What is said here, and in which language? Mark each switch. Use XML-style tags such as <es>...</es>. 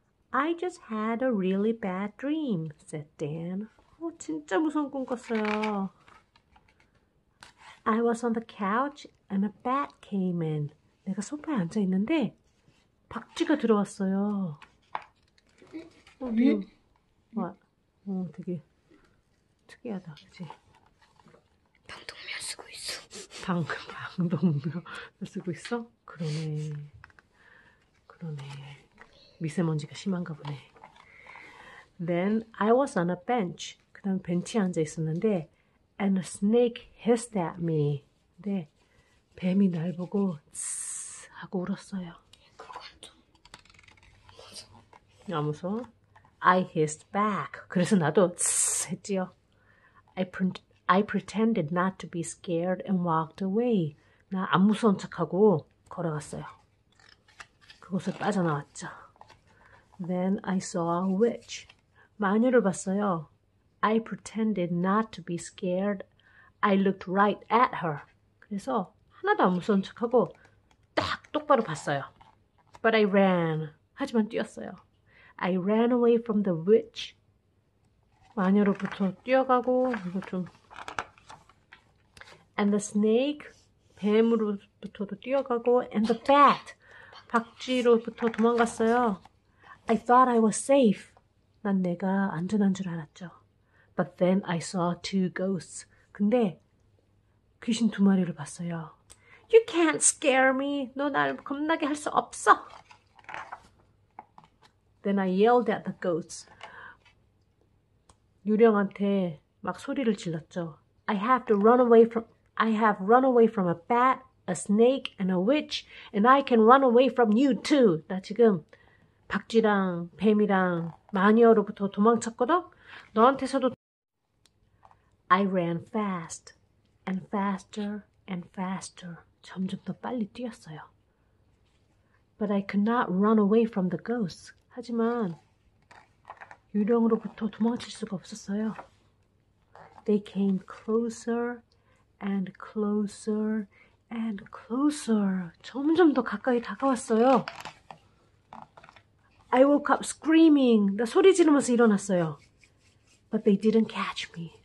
<en>I just had a really bad dream, said Dan.</en> <ko>어, 진짜 무서운 꿈 꿨어요.</ko> <en>I was on the couch and a bat came in.</en> <ko>내가 소파에 앉아 있는데 박쥐가 들어왔어요. 어, 이거 와, 어, 되게 특이하다, 그치? 방독면 쓰고 있어? 그러네. 그러네. 미세먼지가 심한가 보네.</ko> <en>Then I was on a bench.</en> <ko>그다음 벤치에 앉아 있었는데,</ko> <en>and a snake hissed at me.</en> <ko>네, 뱀이 날 보고 쓰읍 하고 울었어요. 아무 소?</ko> <en>I hissed back.</en> <ko>그래서 나도 쓰읍 했지요.</ko> <en>I pretended not to be scared and walked away.</en> <ko>나안 무서운 척하고 걸어갔어요. 그곳을 빠져나왔죠.</ko> <en>Then I saw a witch.</en> <ko>마녀를 봤어요.</ko> <en>I pretended not to be scared. I looked right at her.</en> <ko>그래서 하나도 안 무서운 척하고 딱 똑바로 봤어요.</ko> <en>But I ran.</en> <ko>하지만 뛰었어요.</ko> <en>I ran away from the witch.</en> <ko>마녀로부터 뛰어가고 이거 좀</ko> <en>And the snake</en> <ko>뱀으로부터도 뛰어가고</ko> <en>And the bat</en> <ko>박쥐로부터 도망갔어요.</ko> <en>I thought I was safe.</en> <ko>난 내가 안전한 줄 알았죠.</ko> <en>But then I saw two ghosts.</en> <ko>근데 귀신 두 마리를 봤어요.</ko> <en>You can't scare me.</en> <ko>너날 겁나게 할수 없어.</ko> <en>Then I yelled at the ghosts.</en> <ko>유령한테 막 소리를 질렀죠.</ko> <en>I have run away from a bat, a snake, and a witch, and I can run away from you too.</en> <ko>나 지금 박쥐랑 뱀이랑 마녀로부터 도망쳤거든? 너한테서도.</ko> <en>I ran fast and faster and faster.</en> <ko>점점 더 빨리 뛰었어요.</ko> <en>But I could not run away from the ghosts.</en> <ko>하지만 유령으로부터 도망칠 수가 없었어요.</ko> <en>They came closer and closer and closer.</en> <ko>점점 더 가까이 다가왔어요.</ko> <en>I woke up screaming.</en> <ko>나 소리 지르면서 일어났어요.</ko> <en>But they didn't catch me.</en>